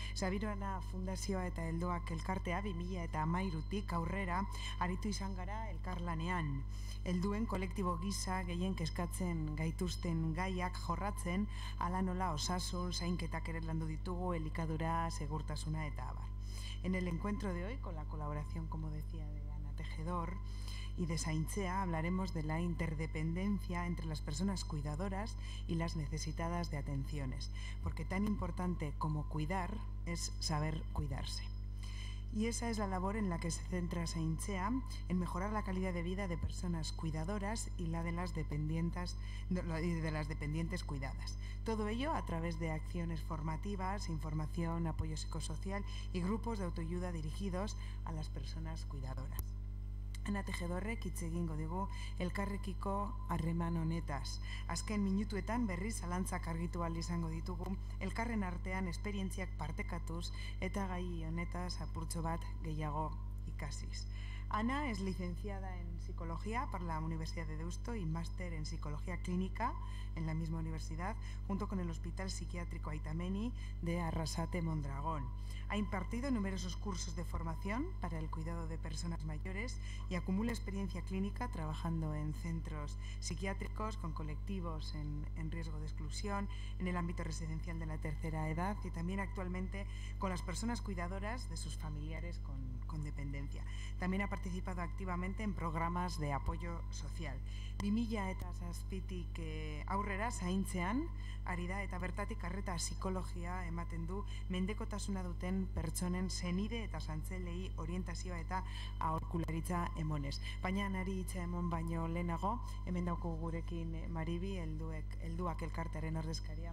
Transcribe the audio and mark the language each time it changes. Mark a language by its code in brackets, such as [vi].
[eu] Sabiro Ana Fundazioa eta Helduak Elkartea 2013tik aurrera aritu izan gara elkarlanean. Helduen kolektibo gisa gehien kezkatzen gaituzten gaiak jorratzen, hala nola osasun, zainketak ere landu ditugu, elikadura, segurtasuna eta abar. [es] En el encuentro de hoy, con la colaboración, como decía, de Ana Tejedor y de Saintzea, hablaremos de la interdependencia entre las personas cuidadoras y las necesitadas de atenciones, porque tan importante como cuidar es saber cuidarse. Y esa es la labor en la que se centra Saintzea, en mejorar la calidad de vida de personas cuidadoras y la de las dependientes, cuidadas. Todo ello a través de acciones formativas, información, apoyo psicosocial y grupos de autoayuda dirigidos a las personas cuidadoras. [eu] Ana Tejedorrek hitz egingo dugu elkarrekiko harreman honetaz. Azken minutuetan berriz zalantzak argitu ahal izango ditugu, elkarren artean esperientziak partekatuz eta gai honetaz apurtxo bat gehiago ikasiz. [es] Ana es licenciada en psicología por la Universidad de Deusto y máster en psicología clínica en la misma universidad, junto con el Hospital Psiquiátrico Aitameni de Arrasate Mondragón. Ha impartido numerosos cursos de formación para el cuidado de personas mayores y acumula experiencia clínica trabajando en centros psiquiátricos con colectivos en riesgo de exclusión, en el ámbito residencial de la tercera edad y también actualmente con las personas cuidadoras de sus familiares con dependencia. También ha participado activamente en programas de apoyo social. [eu] 2007tik aurrera zaintzean ari da eta bertatik arreta psikologia ematen du mendekotasuna duten pertsonen senide eta santzelei orientazioa eta aholkularitza emonez. Baina nari hitza emon baino lehenago, hemen dauko gurekin Maribi, Helduak Elkartearen ordezkaria.